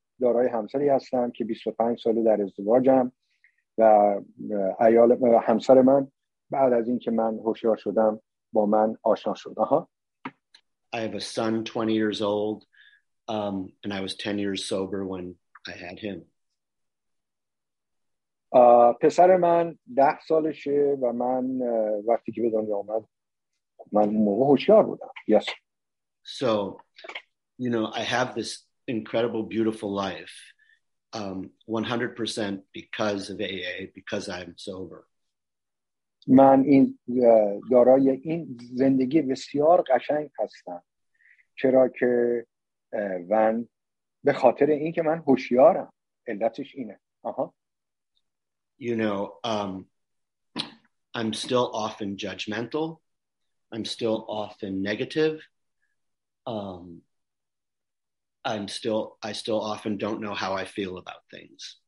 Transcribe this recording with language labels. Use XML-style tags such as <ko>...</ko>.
<fa>دارای همسری هستم که 25 ساله در ازدواجم. و عیال همسر من بعد از این که من هوشیار شدم با من آشنا شد.</fa> <en>I have a son 20 years old. And I was 10 years sober when I had him.</en> <fa>پسر من 10 سالشه و من وقتی که به دنیا اومد من اون موقع هوشیار بودم.</fa> <en>Yes. So, you know, I have this incredible beautiful life 100% because of AA, because I'm sober.</en> <fa>من این دارای این زندگی بسیار قشنگ هستم چرا که من به خاطر اینکه من هوشیارم علتش اینه.</fa> <en>You know, I'm still often judgmental. I'm still often negative. I still often don't know how I feel about things.</en>